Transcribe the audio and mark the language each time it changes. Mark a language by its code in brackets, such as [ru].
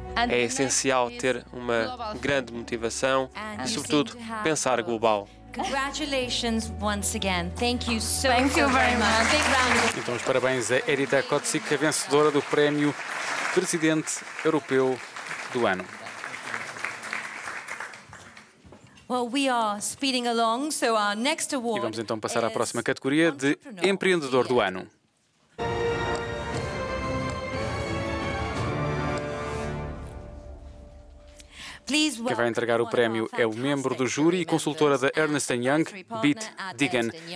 [pt] É essencial ter uma grande motivação e, sobretudo, pensar global. [en] Congratulations once again. Thank you so much. [pt] Então, os parabéns a Edita Kotsik, a vencedora do Prémio Presidente Europeu do Ano. [en] Well, we are speeding along, so our next award. [pt] E vamos então passar à próxima categoria de Empreendedor do Ano. Yeah. Quem vai entregar o prémio é o membro do júri e consultora da Ernst & Young, Beat Digan.